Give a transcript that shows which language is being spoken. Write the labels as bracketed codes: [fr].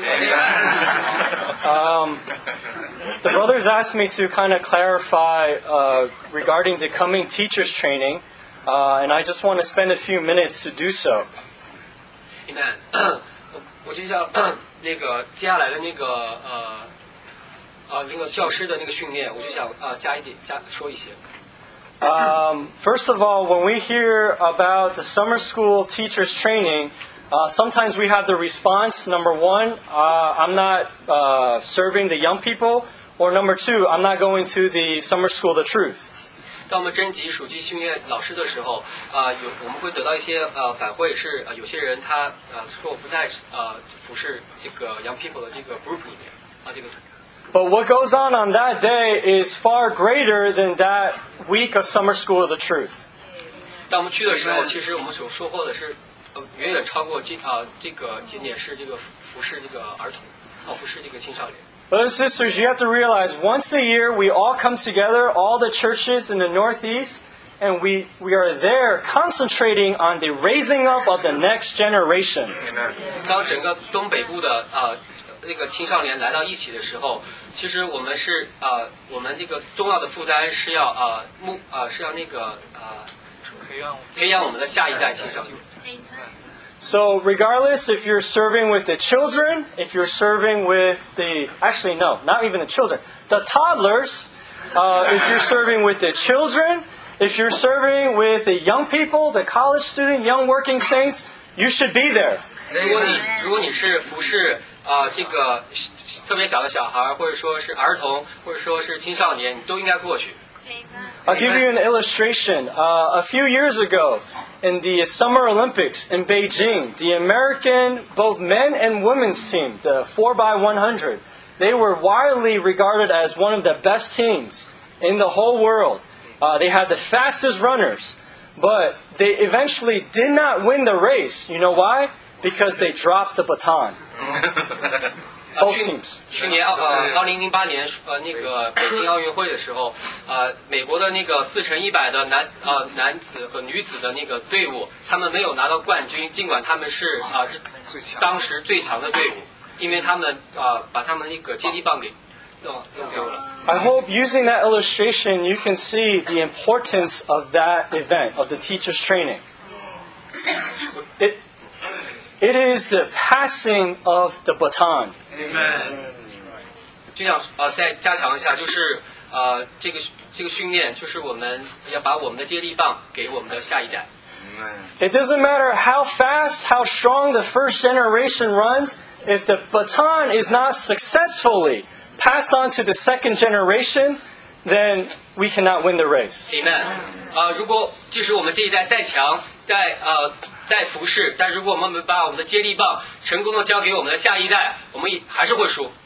[en] The brothers asked me to kind of clarify regarding the coming teachers training, and I just want to spend a few minutes to do so. Amen. [zh] 我就像那个接下来的那个那个教师的那个训练，我就想加一点加说一些。 [en] First of all, when we hear about the summer school teachers training, sometimes we have the response, number one, I'm not serving the young people, or number two, I'm not going to the summer school the truth. [zh] 当我们征集暑期训练老师的时候，我们会得到一些反馈，是有些人他说我不在服侍这个 [en] young people [zh] 的这个 group 里面。 [en] But what goes on that day is far greater than that week of summer school of the truth. [zh] 当我们去的时候，其实我们所收获的是远远超过这个仅仅是这个服侍这个儿童，服侍这个青少年。 [en] Brothers and sisters, you have to realize once a year we all come together, all the churches in the Northeast, and we are there concentrating on the raising up of the next generation. Amen. [zh] 当整个东北部的那个青少年来到一起的时候，其实我们是我们这个重要的负担是要是要那个培养我们的下一代青少年。 [en] So regardless if you're serving with the children, if you're serving with the, actually no, not even the children, the toddlers, if you're serving with the children, if you're serving with the young people, the college student, young working saints, you should be there. [zh] 如果你是服侍这个特别小的小孩，或者说是儿童，或者说是青少年，你都应该过去。 [en] I'll give you an illustration. A few years ago, in the Summer Olympics in Beijing, the American, both men and women's team, the 4x100, they were widely regarded as one of the best teams in the whole world. They had the fastest runners, but they eventually did not win the race. You know why? Because they dropped the baton. Both teams. [zh] 去年2008年那个北京奥运会的时候，美国的那个4x100的男子和女子的那个队伍，他们没有拿到冠军，尽管他们是当时最强的队伍，因为他们把他们那个接力棒给弄丢了。 [en] I hope using that illustration, you can see the importance of that event of the teachers' training. It is the passing of the baton. [zh] Amen. 就想再加强一下，就是这个训练，就是我们要把我们的接力棒给我们的下一代。 [en] It doesn't matter how fast, how strong the first generation runs, if the baton is not successfully passed on to the second generation, then we cannot win the race. Amen. [zh] 如果即使我们这一代再强，在服侍，但如果我们把我们的接力棒成功地交给我们的下一代，我们还是会输。